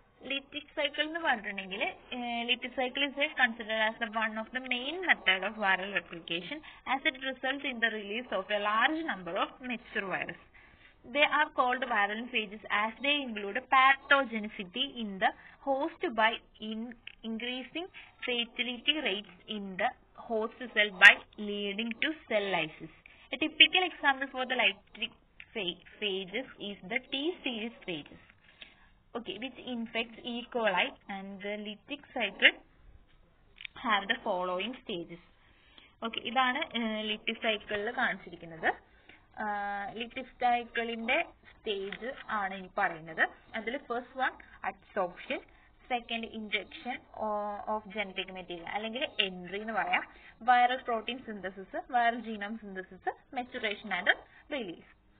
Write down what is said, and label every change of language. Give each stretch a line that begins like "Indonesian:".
Malayalam: Lytic cycle എന്ന് പറഞ്ഞിട്ടുണ്ടെങ്കിൽ
English: Lytic cycle is considered as the one of the main method of viral replication as it result in the release of a large number of mature virus. They are called viral phages as they include pathogenicity in the host by increasing fatality rates in the host cell by leading to cell lysis. A typical example for the Lytic phages is the T series phages, okay, which infects E. coli, and the Lytic cycle have the following stages. Okay,
Malayalam: ഇതാണ് lytic സൈക്കിളിൽ കാണിച്ചിരിക്കുന്നത്. ലിറ്റിസ്റ്റൈക്കിളിന്റെ stage ആണ് ഇനി പറയുന്നത്. അതിൽ first one adsorption, second injection of genetic material അല്ലെങ്കിൽ entry എന്ന് പറയാം, viral protein synthesis viral genome synthesis, maturation and release.